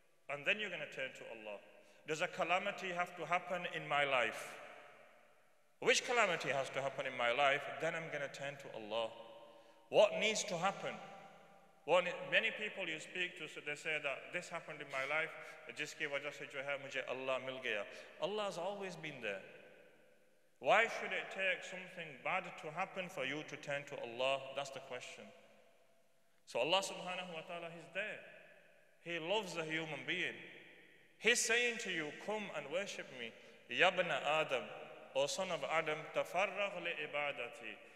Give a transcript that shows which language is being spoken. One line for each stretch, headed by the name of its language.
English: And then you're going to turn to Allah. Does a calamity have to happen in my life? Which calamity has to happen in my life? Then I'm going to turn to Allah. What needs to happen? Many people you speak to, so they say that this happened in my life.
Urdu: جس کی وجہ سے جو ہے مجھے اللہ مل گیا۔
English: Allah has always been there. Why should it take something bad to happen for you to turn to Allah? That's the question. So Allah subhanahu wa ta'ala, He's there. He loves the human being. He's saying to you, come and worship me.
Arabic: Yabna Adam,
English: O son of Adam,
Arabic: tafarrag li ibadati.